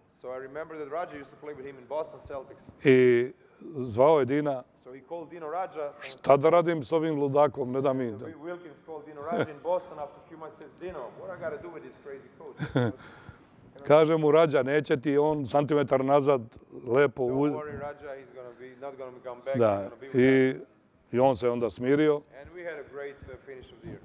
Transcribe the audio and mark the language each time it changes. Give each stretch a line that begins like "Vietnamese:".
English: So I remember that Rađa used to play with him in Boston Celtics.
Serbian: I zvao je Dina.
English: So he called Dino Rađa.
Serbian: Šta da radim s ovim ludakom, ne da mi.
English: So Wilkins called Dino Rađa in Boston after a few months says, Dino, what I gotta do with this crazy coach?
Serbian: Kaže mu Rađa, neće ti on centimetar nazad lepo.
English: Don't worry, Rađa, he's gonna be, not gonna come back.
Serbian: Da. I on se onda smirio.
English: And we had a great finish of the year.